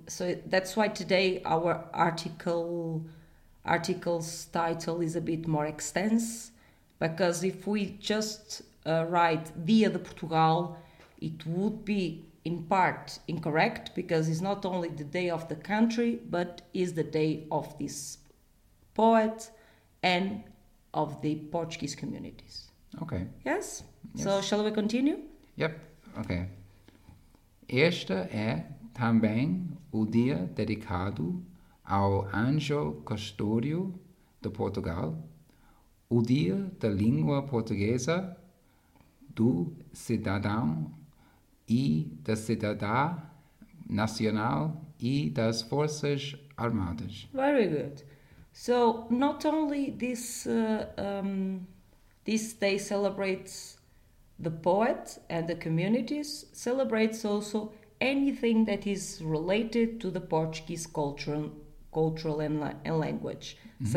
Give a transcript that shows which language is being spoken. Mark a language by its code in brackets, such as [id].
[en] So that's why today our article's title is a bit more extensive, because if we just write Dia de Portugal, it would be in part incorrect, because it's not only the day of the country, but is the day of this poet and of the Portuguese communities. Okay. Yes? Yes. So shall we continue? Yep. Okay. [pt] Esta é também o dia dedicado ao anjo custódio de Portugal, o dia da língua portuguesa, do cidadão e da cidadã nacional e das forças armadas. [en] Very good. So, not only this day celebrates the poet and the communities, celebrates also anything that is related to the Portuguese cultural and language, mm-hmm.